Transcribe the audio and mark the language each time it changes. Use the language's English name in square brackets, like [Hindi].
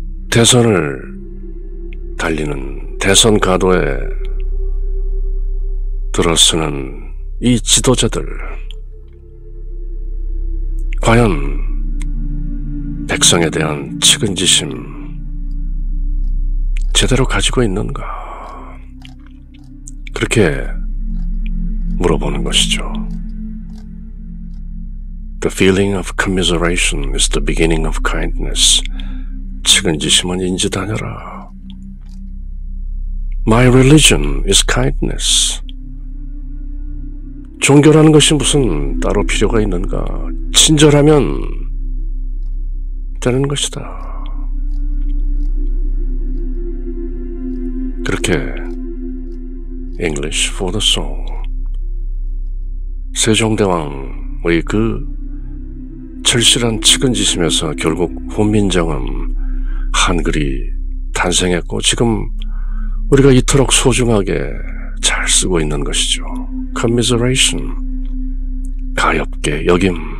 [Korean] 대선을 달리는 대선 가도에 들어서는 이 지도자들, 과연 백성에 대한 측은지심 제대로 가지고 있는가, 그렇게 물어보는 것이죠. [English] The feeling of commiseration is the beginning of kindness. [Korean] 측은지심은 인지다녀라. [English] My religion is kindness. [Korean] 종교라는 것이 무슨 따로 필요가 있는가? 친절하면 되는 것이다. 그렇게 English for the soul. 세종대왕의 그 절실한 측은지심에서 결국 훈민정음, 한글이 탄생했고 지금 우리가 이토록 소중하게 잘 쓰고 있는 것이죠. Commiseration, 가엽게 여김.